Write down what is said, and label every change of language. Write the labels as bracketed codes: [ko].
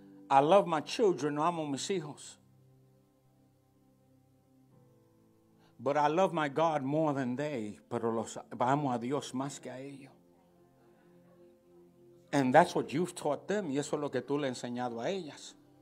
[en] I love my children, [es] no amo mis hijos. [en] But I love my God more than they. [es] Pero los amo a Dios más que a ellos. [en] And that's what you've taught them. [es] Y eso es lo que tú le has enseñado a ellas.